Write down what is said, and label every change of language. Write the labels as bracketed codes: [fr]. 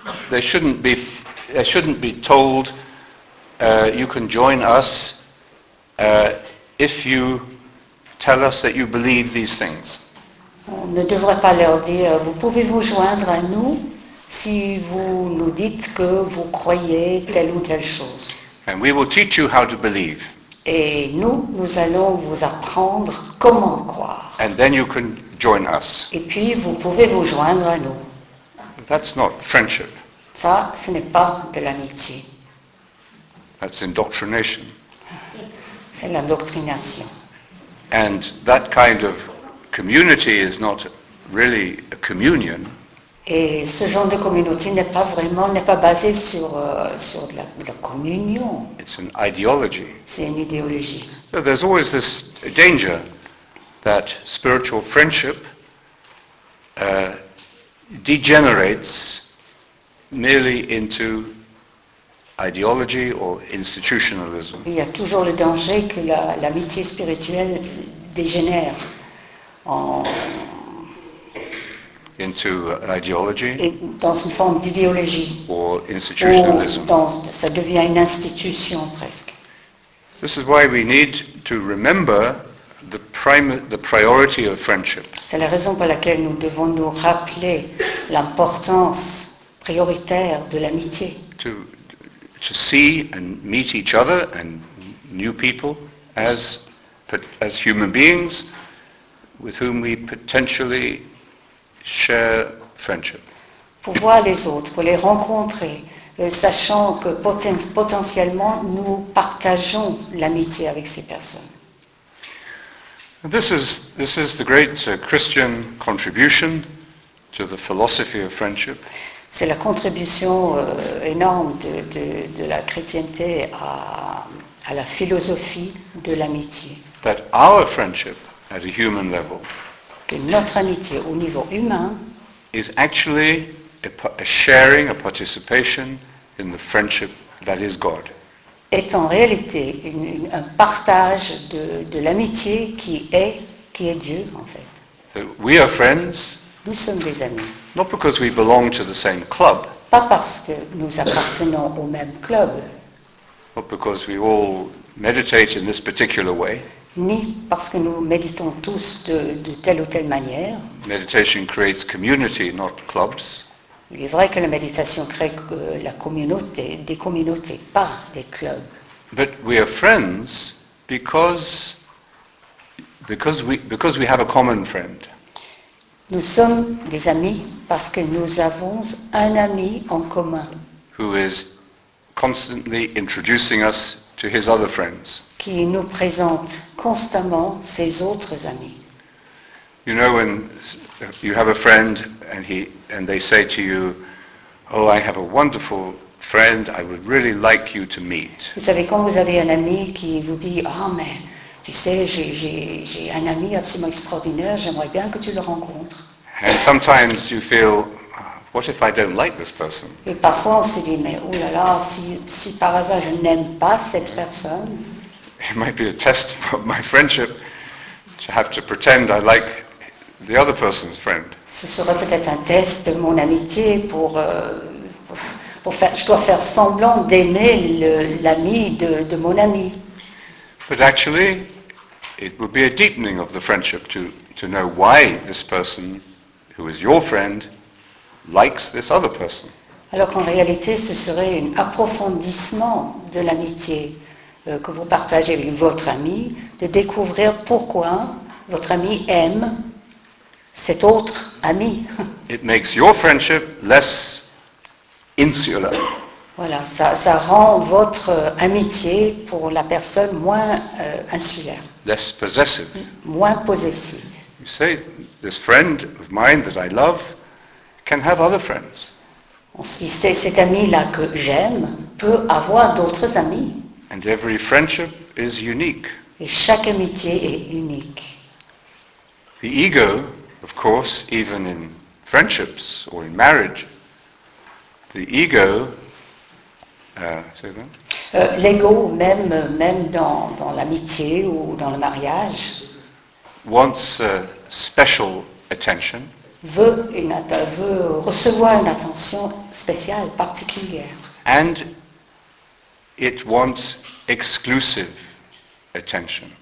[en] They shouldn't be told, you can join us. If you tell us that you believe these things. [fr] On ne devrait pas leur dire, vous pouvez vous joindre à nous si vous nous dites que vous croyez telle ou telle chose. [en] And we will teach you how to believe. [fr] Et nous allons vous apprendre comment croire. [en] And then you can join us. [fr] Et puis vous pouvez vous joindre à nous. [en] That's not friendship. [fr] Ça, ce n'est pas de l'amitié. [en] That's indoctrination. [fr] C'est l'indoctrination. [en] And that kind of community is not really a communion. [fr] Et ce genre de communauté n'est pas basé sur la communion. [en] It's an ideology. [fr] C'est une idéologie. [en] So there's always this danger that spiritual friendship degenerates merely into ideology or institutionalism. [fr] Il y a toujours le danger que l'amitié spirituelle dégénère dans une forme d'idéologie. [en] Or institutionalism. [fr] Ça devient une institution presque. [en] This is why we need to remember the priority of friendship. [fr] C'est la raison pour laquelle nous devons nous rappeler l'importance prioritaire de l'amitié. [en] To see and meet each other and new people as human beings with whom we potentially share friendship. [fr] Pour voir les autres, pour les rencontrer, sachant que potentiellement nous partageons l'amitié avec ces personnes. [en] This is the great Christian contribution to the philosophy of friendship. [fr] C'est la contribution énorme de la chrétienté à la philosophie de l'amitié. [en] That our friendship at a human level. [fr] Que notre amitié au niveau humain [en] is actually a sharing, a participation in the friendship that is God. [fr] Est en réalité un partage de l'amitié qui est Dieu en fait. [en] So we are friends. [fr] Nous sommes des amis. [en] Not because we belong to the same club. [fr] Pas parce que nous appartenons au même club. [en] Not because we all meditate in this particular way. [fr] Ni parce que nous méditons tous de telle ou telle manière. [en] Meditation creates community, not clubs. [fr] Il est vrai que la méditation crée la communauté, des communautés, pas des clubs. [en] But we are friends because we have a common friend. [fr] Nous sommes des amis parce que nous avons un ami en commun. [en] Who is constantly introducing us to his other friends. [fr] Qui nous présente constamment ses autres amis. [en] You know when you have a friend and they say to you, "Oh, I have a wonderful friend. I would really like you to meet." [fr] Vous savez quand vous avez un ami qui vous dit, "Oh mais tu sais, j'ai un ami absolument extraordinaire. J'aimerais bien que tu le rencontres." [en] And sometimes you feel, "What if I don't like this person?" [fr] Et parfois on se dit, mais oh là là, si par hasard je n'aime pas cette personne. [en] It might be a test for my friendship to have to pretend I like the other person's friend. [fr] Ce serait peut-être un test de mon amitié pour faire, je dois faire semblant d'aimer l'ami de mon ami. [en] But actually, it would be a deepening of the friendship to know why this person, who is your friend, likes this other person. [fr] Alors qu'en réalité, ce serait un approfondissement de l'amitié que vous partagez avec votre ami, de découvrir pourquoi votre ami aime cet autre ami. [en] It makes your friendship less insular. [fr] Voilà, ça rend votre amitié pour la personne moins insulaire. [en] Less possessive. [fr] Moins possessive. [en] You say, this friend of mine that I love can have other friends. [fr] On se dit, cet ami-là que j'aime peut avoir d'autres amis. [en] And every friendship is unique. [fr] Et chaque amitié est unique. [en] The ego, of course, even in friendships or in marriage, the ego, say that. [fr] L'ego, même dans l'amitié ou dans le mariage, [en] wants special attention. [fr] Veut recevoir une attention spéciale, particulière. [en] And it wants exclusive attention.